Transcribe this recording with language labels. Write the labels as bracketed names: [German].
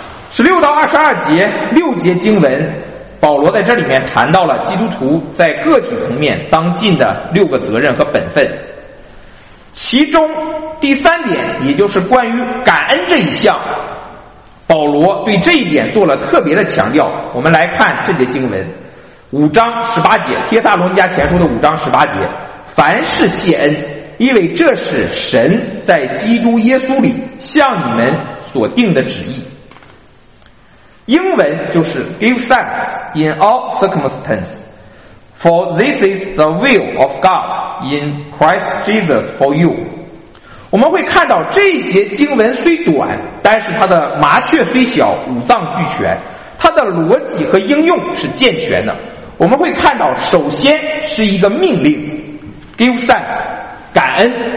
[Chinese] 十六到二十二节六节经文保罗在这里面谈到了基督徒在个体层面当尽的六个责任和本分，其中第三点也就是关于感恩这一项，保罗对这一点做了特别的强调。我们来看这节经文五章十八节，帖撒罗尼迦前书的五章十八节，凡事谢恩，因为这是神在基督耶稣里向你们所定的旨意。英文就是 [English] Give thanks in all circumstances, for this is the will of God in Christ Jesus for you. [Chinese] 我们会看到这一节经文虽短，但是它的麻雀虽小，五脏俱全，它的逻辑和应用是健全的。我们会看到首先是一个命令 [English] Give thanks, [Chinese] 感恩。